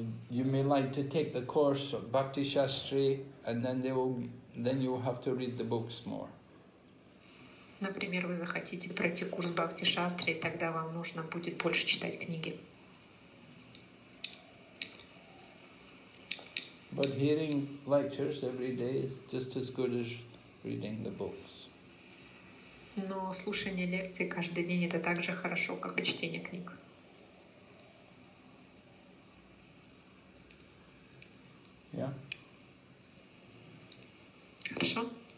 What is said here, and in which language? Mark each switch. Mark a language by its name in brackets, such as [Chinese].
[English] You may like to take the course of Bhakti Shastri, and then you will have to read the books more. [Russian] Например, вы захотите пройти курс Бхакти Шастри, тогда вам нужно будет больше читать книги. [English] But hearing lectures every day is just as good as reading the books. [Russian] Но слушание лекций каждый день — это так же хорошо, как и чтение книг. [English] Yeah. [Russian] Хорошо.